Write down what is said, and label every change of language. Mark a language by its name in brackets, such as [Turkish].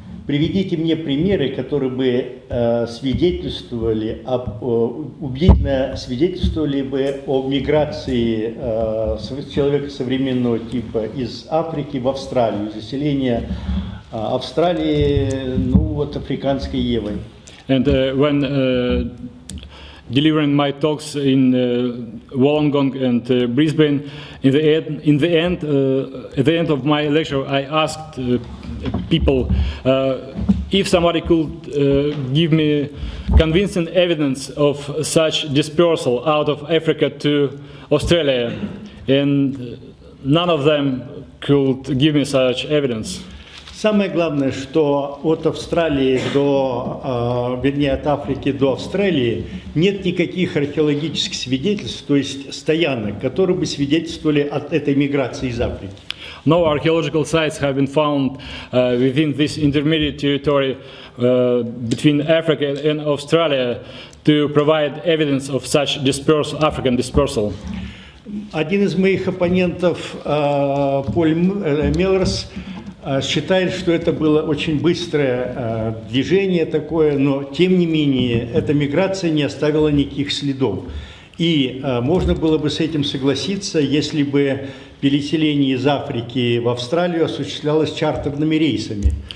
[Russian] Приведите мне примеры, которые бы свидетельствовали об убедительно свидетельствовали бы о миграции человека современного типа из Африки в Австралию, заселение Австралии, ну вот африканской евой. [English] And when delivering my talks in Wollongong and Brisbane, at the end of my lecture, I asked people if somebody could give me convincing evidence of such dispersal out of Africa to Australia, and none of them could give me such evidence. [Russian] Самое главное, что от Австралии до, вернее, от Африки до Австралии нет никаких археологических свидетельств, то есть стоянок, которые бы свидетельствовали от этой миграции из Африки. [English] No archaeological sites have been found within this intermediate territory between Africa and Australia to provide evidence of such dispersal, African dispersal. [Russian] Один из моих оппонентов, Поль Мелрос, считает, что это было очень быстрое движение такое, но тем не менее эта миграция не оставила никаких следов. И можно было бы с этим согласиться, если бы переселение из Африки в Австралию осуществлялось чартерными рейсами.